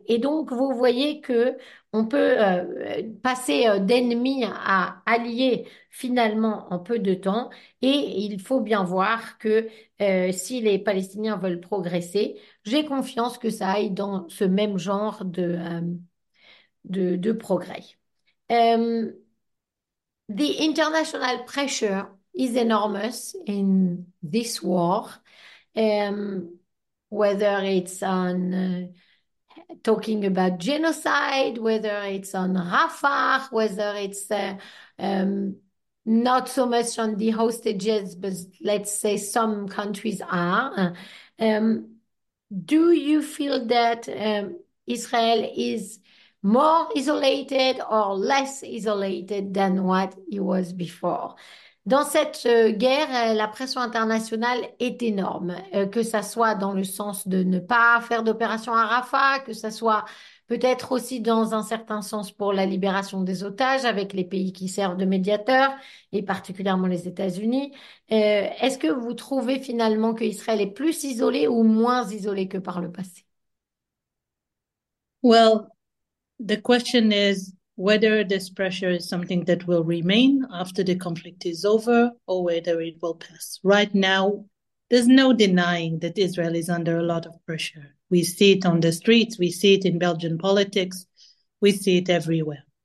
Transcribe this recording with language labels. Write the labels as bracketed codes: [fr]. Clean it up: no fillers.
[fr] Et donc, vous voyez que on peut passer d'ennemi à allié finalement en peu de temps. Et il faut bien voir que si les Palestiniens veulent progresser, j'ai confiance que ça aille dans ce même genre de progrès. [en] The international pressure is enormous in this war. Whether it's on talking about genocide, whether it's on Rafah, whether it's not so much on the hostages, but let's say some countries are. Do you feel that Israel is more isolated or less isolated than what it was before? [fr] Dans cette guerre, la pression internationale est énorme, que ça soit dans le sens de ne pas faire d'opération à Rafah, que ça soit peut-être aussi dans un certain sens pour la libération des otages avec les pays qui servent de médiateurs, et particulièrement les États-Unis. Est-ce que vous trouvez finalement que Israël est plus isolé ou moins isolé que par le passé? [en] Well, the question is whether this pressure is something that will remain after the conflict is over or whether it will pass. Right now, there's no denying that Israel is under a lot of pressure. We see it on the streets. We see it in Belgian politics. We see it everywhere.